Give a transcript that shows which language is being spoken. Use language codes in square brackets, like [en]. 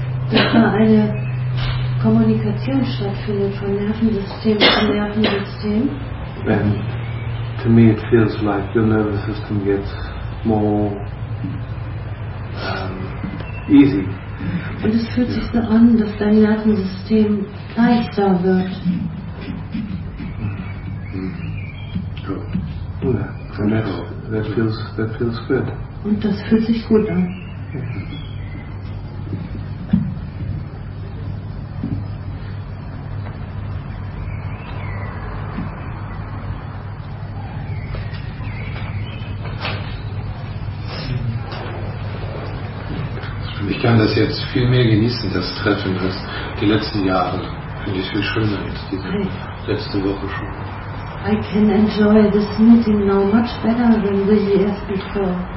[de] Dass da eine Kommunikation stattfindet von Nervensystem zu Nervensystem. [en] And to me it feels like your nervous system gets more easy. [de] Und es fühlt sich so an, dass dein Nervensystem leichter wird. [en] And that feels good. [de] Und das fühlt sich gut an. Ich kann das jetzt viel mehr genießen, das Treffen, als die letzten Jahre. Finde ich viel schöner als die letzte Woche schon. [en] I can enjoy this meeting now much better than the years before.